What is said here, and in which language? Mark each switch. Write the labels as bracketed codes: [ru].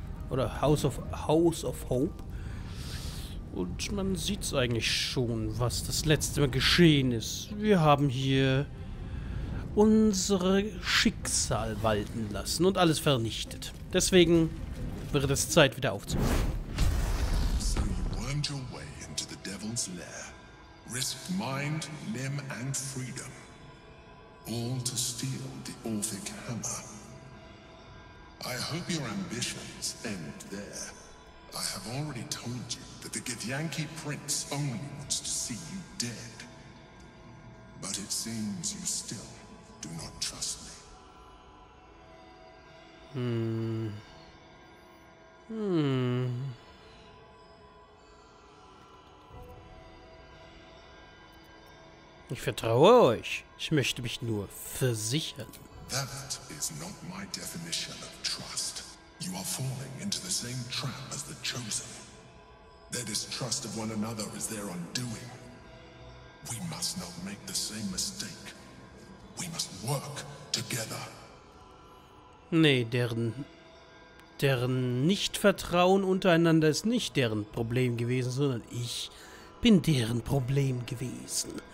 [de] Oder House of Hope. Und man sieht es eigentlich schon, was das letzte Mal geschehen ist. Wir haben hier unsere Schicksal walten lassen und alles vernichtet. Deswegen wird es Zeit, wieder aufzubauen. [en] So you wormed your way into the devil's lair. Risked mind, limb and freedom. All to steal the Orphic hammer. I hope your ambitions end there. I have already told you that the Githyanki prince only wants to see you dead. But it seems you still do not trust me. [de] Ich vertraue euch. Ich möchte mich nur versichern. [en] That is not my definition of trust. You are falling into the same trap as the Chosen. Their distrust of one another is their undoing. We must not make the same mistake. We must work together. [de] Nee, deren Nichtvertrauen untereinander ist nicht deren Problem gewesen, sondern ich bin deren Problem gewesen.